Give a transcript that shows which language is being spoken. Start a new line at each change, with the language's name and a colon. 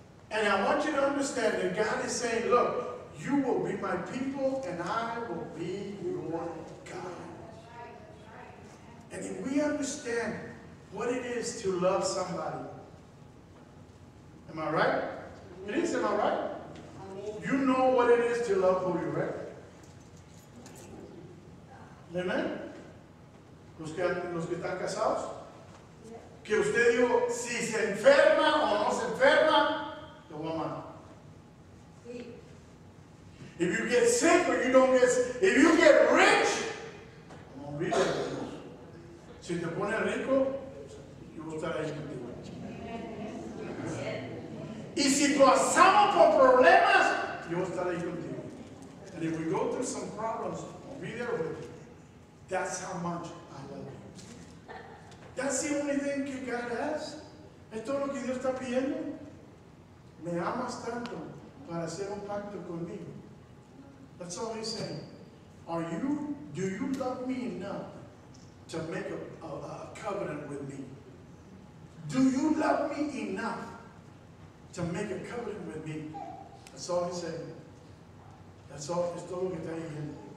English: And I want you to understand that God is saying, look, you will be my people and I will be your God. And if we understand what it is to love somebody, am I right? It is, am I right? You know what it is to love who you're right? Amen?
Spanish: Los que están casados, que usted dijo, si se enferma o no se enferma, lo va a amar.
English: If you get sick or you don't get sick, if you get rich,
Spanish: no olvide. Si te pone rico, yo voy a estar ahí contigo. Y si pasamos por problemas, yo voy a estar ahí contigo.
English: And if we go through some problems,
Spanish: olvide.
English: That's how much I love you. That's the only thing that God has.
Spanish: Esto es lo que Dios está pidiendo. Me amas tanto para hacer un pacto conmigo.
English: That's all he's saying. Do you love me enough to make a covenant with me? Do you love me enough to make a covenant with me? That's all he's saying. That's all,
Spanish: es todo lo que está diciendo.